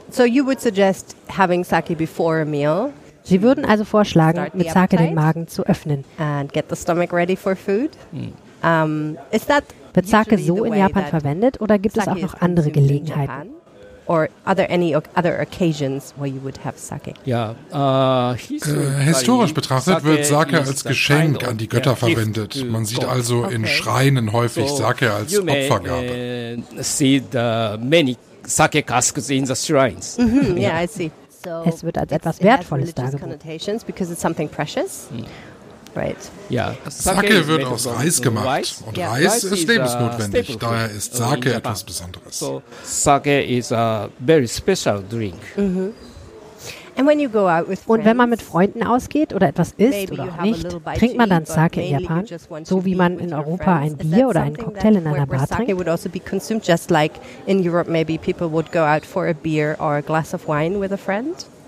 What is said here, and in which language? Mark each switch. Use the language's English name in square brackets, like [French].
[English] So you would suggest having sake before a meal? [German] Sie würden also vorschlagen, mit Sake den Magen zu öffnen. [English] And get the stomach ready for food? Mm. Is that [German] wird Sake so in Japan verwendet oder gibt es auch noch andere Gelegenheiten? [English] Or are there any other occasions where you would have sake? Yeah. [German] Historisch betrachtet sake wird Sake als Geschenk [English] kind of [German] an die Götter verwendet. Man sieht also in Schreinen häufig Sake als Opfergabe. [English] See the many sake casks in the shrines. Mm-hmm. Yeah, I see. [German] So es wird als etwas Wertvolles dargeboten. [English] Because it's something precious. Right. Yeah. [German] Sake wird aus Reis gemacht. Und yeah. Reis ist lebensnotwendig. Daher ist Sake etwas Besonderes. [English] So, sake is a very special drink. Mm-hmm. And when you go out with [German] Und wenn man mit Freunden ausgeht oder etwas isst oder auch nicht, trinkt man dann Sake in Japan? So wie man in Europa ein Bier oder einen Cocktail in einer Bar trinkt? [English] Sake would also be consumed just like in Europe maybe people would go out for a beer or a glass of wine with a friend?